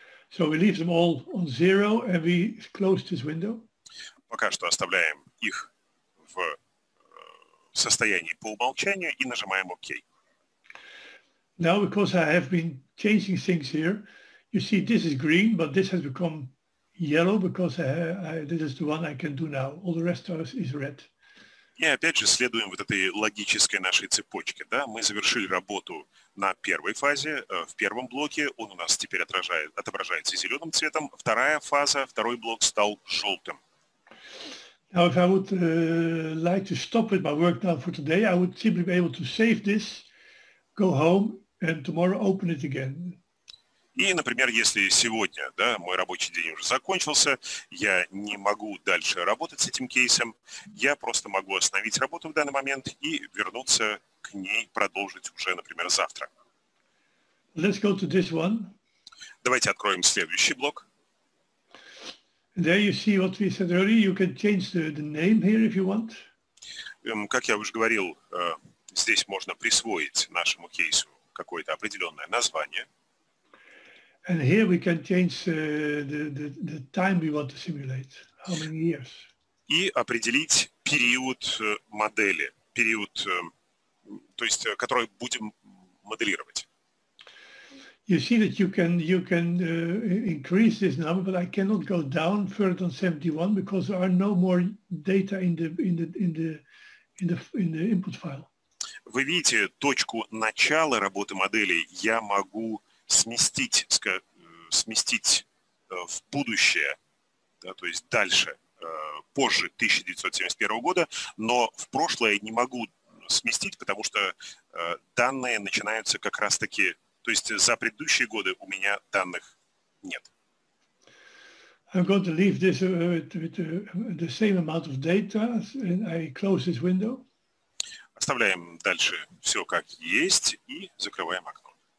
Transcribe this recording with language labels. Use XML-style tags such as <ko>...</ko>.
<en>So we leave them all on zero and we close this window.</en> <ru>Пока что оставляем их в состоянии по умолчанию и нажимаем ОК.</ru> <en>Now, because I have been changing things here, you see this is green, but this has become yellow because this is the one I can do now. All the rest is red.</en> <ru>И опять же следуем вот этой логической нашей цепочке. Да? Мы завершили работу на первой фазе, в первом блоке. Он у нас теперь отображается зеленым цветом. Вторая фаза, второй блок стал желтым.</ru> <en>Now, if I would like to stop with my work now for today, I would simply be able to save this, go home, and tomorrow open it again.</en> <ru>И, например, если сегодня, да, мой рабочий день уже закончился, я не могу дальше работать с этим кейсом, я просто могу остановить работу в данный момент и вернуться к ней, продолжить уже, например, завтра.</ru> <en>Let's go to this one.</en> <ru>Давайте откроем следующий блок.</ru> <en>There you see what we said earlier. You can change the name here if you want.</en> <ru>Как я уже говорил, здесь можно присвоить нашему кейсу какое-то определенное название.</ru> <en>And here we can change the time we want to simulate. How many years?</en> <ru>И определить период модели, период, то есть, который будем моделировать.</ru> <en>You see that you can increase this number, but I cannot go down further than 71 because there are no more data in the input file.</en> <ru>Вы видите точку начала работы модели? Я могу сместить в будущее, да, то есть дальше, позже 1971 года, но в прошлое не могу сместить, потому что данные начинаются как раз-таки, то есть за предыдущие годы у меня данных нет.</ru> <en>I'm going to leave this with the same amount of data and I close this window.</en> <ru>Оставляем дальше все как есть и закрываем окно.</ru>